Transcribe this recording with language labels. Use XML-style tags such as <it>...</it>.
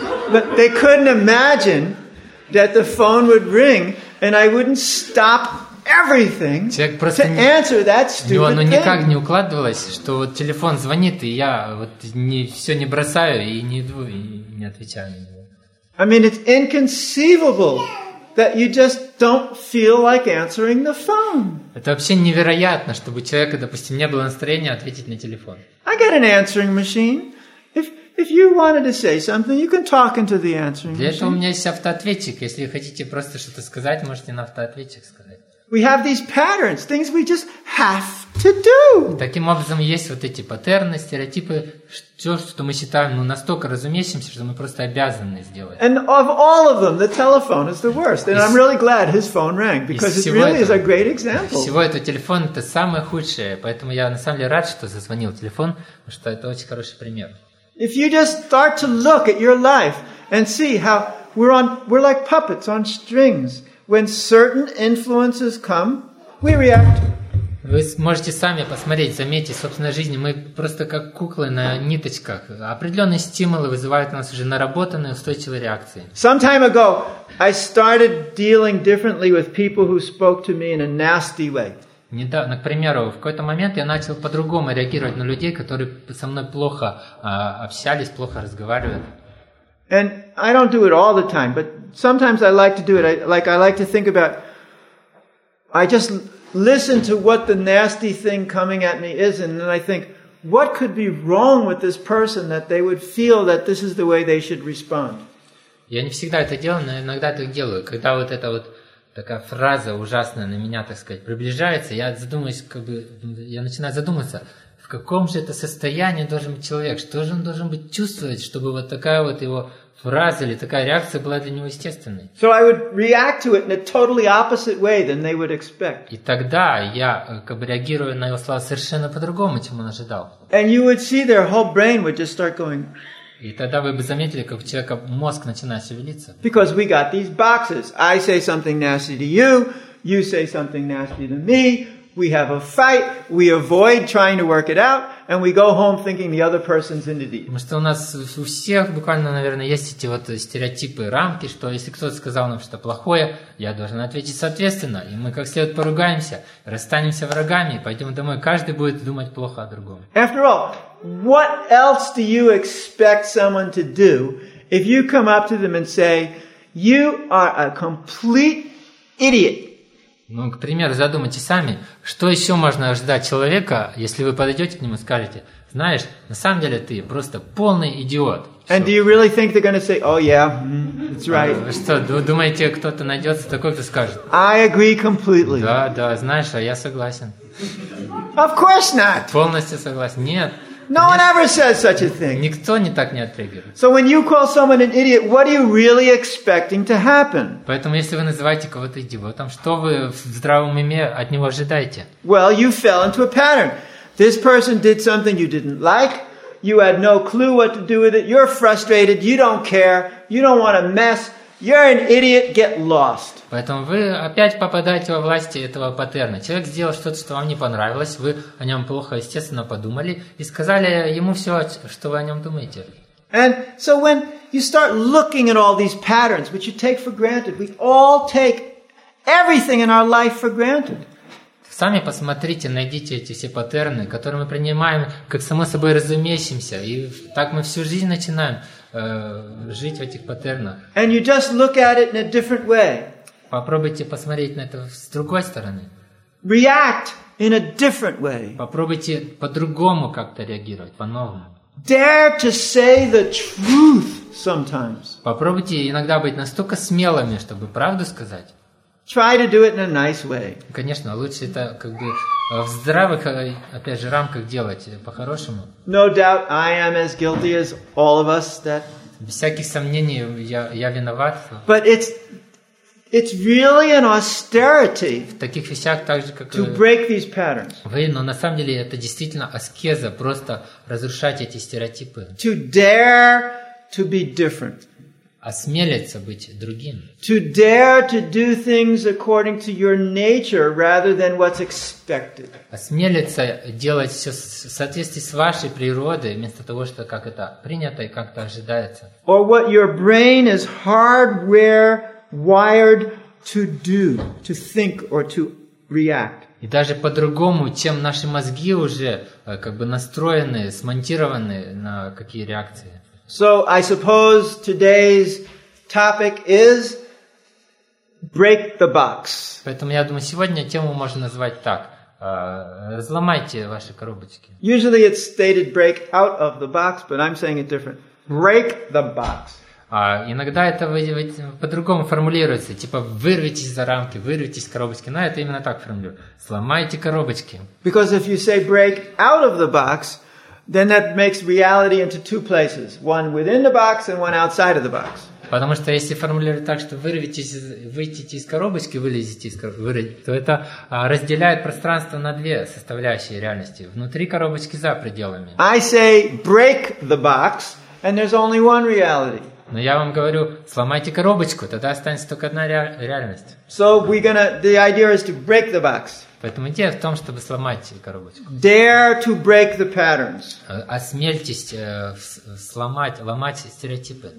<en>But they couldn't imagine that the phone would ring and I wouldn't stop everything to answer that stupid thing.</en> <ru>Ну никак не укладывалось, что вот телефон звонит, и я вот не все не бросаю и не иду и не отвечаю на него.</ru> <en>I mean, it's inconceivable that you just don't feel like answering the phone.</en> <ru>Это вообще невероятно, чтобы человека, допустим, не было настроения ответить на телефон.</ru> <en>I got an answering machine. If you wanted to say something, you can talk into the answering machine.</en> <ru>Для этого у меня есть автоответчик. Если хотите просто что-то сказать, можете на автоответчик сказать.</ru> <en>We have these patterns, things we just have to do.</en> <ru>Таким образом, есть вот эти паттерны, стереотипы, все, что мы считаем, ну, настолько разумеющимся, что мы просто обязаны сделать.</ru> <en>And of all of them, the telephone is the worst. And I'm really glad his phone rang, because it really is a great example.</en> <ru>Всего этого телефон это самое худшее, поэтому я на самом деле рад, что зазвонил телефон, потому что это очень хороший пример.</ru> <en>If you just start to look at your life and see how we're like puppets on strings. When certain influences come, we react.</en> <ru>Вы можете сами посмотреть, заметить, собственно, жизнь. Мы просто как куклы на ниточках. Определенные стимулы вызывают у нас уже наработанные устойчивые реакции.</ru> <en>Some time ago, I started dealing differently with people who spoke to me in a nasty way.</en> <ru>Недавно, к примеру, в какой-то момент я начал по-другому реагировать на людей, которые со мной плохо общались, плохо разговаривают.</ru> <en>And I don't do it all the time, but sometimes I like to do it. I like to think about, I just listen to what the nasty thing coming at me is, and then I think, what could be wrong with this person that they would feel that this is the way they should respond?</en> <ru>Я не всегда это делаю, но иногда это делаю. Когда вот это вот такая фраза ужасная на меня, так сказать, приближается, я задумываюсь, как бы, я начинаю задумываться, в каком же это состоянии должен быть человек, что же он должен быть чувствовать, чтобы вот такая вот его фраза или такая реакция была для него естественной.</ru> <en>So I would react to it in a totally opposite way than they would expect.</en> <ru>И тогда я, как бы, реагирую на его слова совершенно по-другому, чем он ожидал.</ru> <en>And you would see their whole brain would just start going.</en> <ru>И тогда вы бы заметили, как у человека мозг начинает шевелиться.</ru> <en>Because we got these boxes. I say something nasty to you, you say something nasty to me, we have a fight, we avoid trying to work it out, and we go home thinking the other person's in the deep.</en> <ru>Потому что у нас у всех буквально, наверное, есть эти вот стереотипы, рамки, что если кто-то сказал нам что-то плохое, я должен ответить соответственно, и мы как следует поругаемся, расстанемся врагами, пойдем домой, каждый будет думать плохо о другом.</ru> <en>After all, what else do you expect someone to do if you come up to them and say, you are a complete idiot?</en> <ru>Ну, к примеру, задумайте сами, что еще можно ожидать человека, если вы подойдете к нему и скажете, знаешь, на самом деле ты просто полный идиот.</ru> <en>And do you really think they're going to say, oh yeah, that's right?</en> <ru>Что, думаете, кто-то найдется такой, кто скажет?</ru> <en>I agree completely.</en> <ru>Да, да, знаешь, а я согласен.</ru> <en>Of course not.</en> <ru>Полностью согласен. Нет.</ru> <en>No one ever says such a thing.</en> <ru>Никто не так не отреагирует.</ru> <en>So when you call someone an idiot, what are you really expecting to happen?</en> <ru>Поэтому если вы называете кого-то идиотом, что вы в здравом уме от него ожидаете?</ru> <en>Well, you fell into a pattern. This person did something you didn't like. You had no clue what to do with it. You're frustrated. You don't care. You don't want a mess. You're an idiot. Get lost.</en> <ru>Поэтому вы опять попадаете во власти этого паттерна. Человек сделал что-то, что вам не понравилось, вы о нем плохо, естественно, подумали и сказали ему все, что вы о нем думаете.</ru> <en>And so when you start looking at all these patterns, which you take for granted, we all take everything in our life for granted.</en> <ru>Сами посмотрите, найдите эти все паттерны, которые мы принимаем как само собой разумеющимся, и так мы всю жизнь начинаем жить в этих паттернах.</ru> <en>And you just look at it in a different way.</en> <ru>Попробуйте посмотреть на это с другой стороны.</ru> <en>React in a different way.</en> <ru>Попробуйте по-другому как-то реагировать, по-новому.</ru> <en>Dare to say the truth sometimes.</en> <ru>Попробуйте иногда быть настолько смелыми, чтобы правду сказать.</ru> <en>Try to do it in a nice way.</en> <ru>Конечно, лучше это как бы в здравых, опять же, рамках делать по-хорошему.</ru> <en>No doubt I am as guilty as all of us that...</en> <ru>Без всяких сомнений я виноват.</ru> <en>But it's really an austerity</en> <ru>в таких вещах, так же, как</ru> <en>to break these patterns.</en> <ru>Вы, но на самом деле это действительно аскеза, просто разрушать эти стереотипы.</ru> <en>To dare to be different.</en> <ru>Осмелиться быть другим.</ru> <en>To dare to do things according to your nature rather than what's expected.</en> <ru>Осмелиться делать все в соответствии с вашей природой вместо того, что как это принято и как-то ожидается.</ru> <en>Or what your brain is hardwired to do, to think or to react.</en> <ru>И даже по-другому, чем наши мозги уже как бы настроены, смонтированы на какие реакции.</ru> <en>So I suppose today's topic is break the box.</en> <ru>Поэтому я думаю, сегодня тему можно назвать так: разломайте ваши коробочки.</ru> <en>Usually it's stated break out of the box, but I'm saying it different. Break the box.</en> <ru>Иногда это по-другому формулируется, типа вырвитесь за рамки, вырвитесь из коробочки. Но это именно так формулирую. Сломайте коробочки.</ru> <en>Because if you say break out of the box, then that makes reality into two places, one within the box and one outside of the box.</en> <ru>Потому что если формулировать так, что выйдете из коробочки, вылезете из коробочки, то это разделяет пространство на две составляющие реальности, внутри коробочки, за пределами.</ru> <en>I say break the box and there's only one reality.</en> <ru>Но я вам говорю, сломайте коробочку, тогда останется только одна реальность.</ru> <en>So we're gonna, the idea is to break the box.</en> <ru>Поэтому идея в том, чтобы сломать коробочку.</ru> <en>Dare to break the patterns.</en> <ru>Осмельтесь сломать, ломать стереотипы.</ru>